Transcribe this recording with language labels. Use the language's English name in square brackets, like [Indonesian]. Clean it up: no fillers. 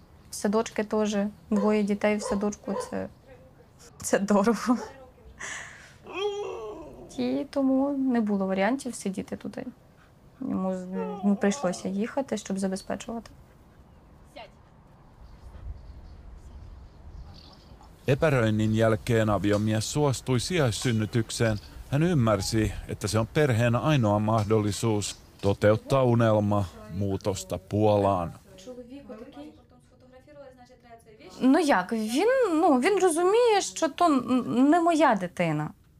[Ukrainian] В садочки теж, двоє дітей в садочку це дорого. І тому не було варіантів сидіти туди. Йому прийшлося їхати, щоб забезпечувати. [Finnish] Epäröinnin jälkeen aviomies suostui sijaissynnytykseen. Hän ymmärsi, että se on perheen ainoa mahdollisuus toteuttaa unelma muutosta Puolaan. [Ukrainian] Ну як? Він розуміє, що то не моя дитина.